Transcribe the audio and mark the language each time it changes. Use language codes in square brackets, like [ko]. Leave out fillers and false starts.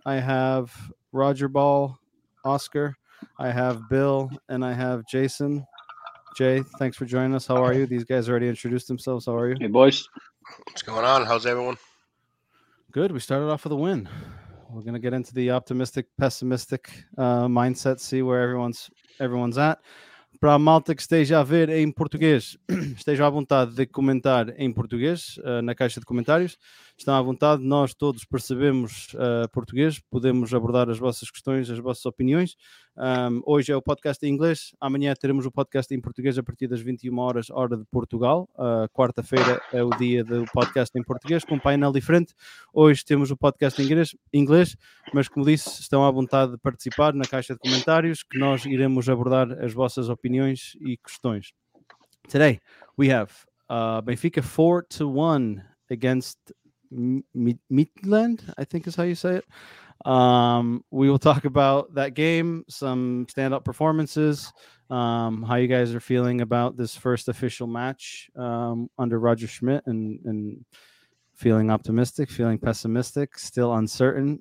[en] I have Roger Ball, Oscar. I have Bill, and I have Jason. Jay, thanks for joining us. How are you? These guys already introduced themselves. How are you? Hey, boys. What's going on? How's everyone? Good. We started off with a win. We're going to get into the optimistic, pessimistic mindset, see where everyone's at. [pt] Para malta que esteja a ver em português, esteja à vontade de comentar em português na caixa de comentários. Estão à vontade. Nós todos percebemos português. Podemos abordar as vossas questões, as vossas opiniões. Hoje é o podcast em inglês. Amanhã teremos o podcast em português a partir das 21 horas, hora de Portugal. Quarta-feira é o dia do podcast em português, com um painel diferente. Hoje temos o podcast em inglês, mas como disse, estão à vontade de participar na caixa de comentários, que nós iremos abordar as vossas opiniões e questões. [en] Today, we have Benfica 4-1 against Midland, I think is how you say it. We will talk about that game, some standout performances, how you guys are feeling about this first official match under Roger Schmidt, and feeling optimistic, feeling pessimistic, still uncertain.